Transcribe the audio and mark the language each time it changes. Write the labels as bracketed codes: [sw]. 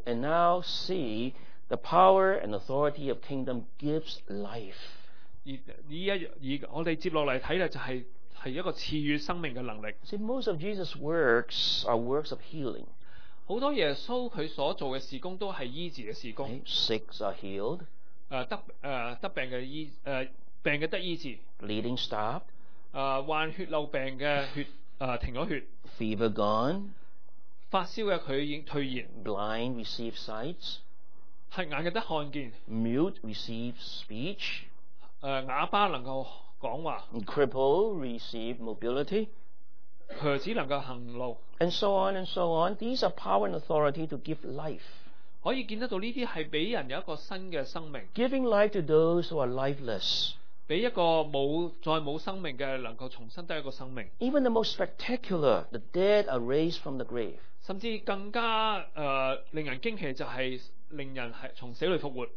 [en] And now see The power and authority of kingdom gives life. [zh] 我们接下来看就是一个赐予生命的能力。 [en] See, most of Jesus' works are works of healing. [zh] 很多耶稣他所做的事工都是医治的事工。 [en] Sick are healed. [zh] 得病的医治。 [en] Bleeding stop. [zh] 患血漏病的血停了血。 [en] Fever gone. [zh] 发烧的他已经退炎。 [en] Blind receive sight. [zh] 黑眼的看见。 [en] Mute receive speech. [zh] 哑巴能够讲话。 [en] Cripple receive mobility. [zh] 瘸子能够行路。 [en] And so on and so on. These are power and authority to give life. [zh] 可以见得到这些是给人有一个新的生命。 [en] Giving life to those who are lifeless. [zh] 给一个再没有生命的能够重新得一个生命。 [en] Even the most spectacular, the dead are raised from the grave. [zh] 甚至更加令人惊奇就是令人从死里复活。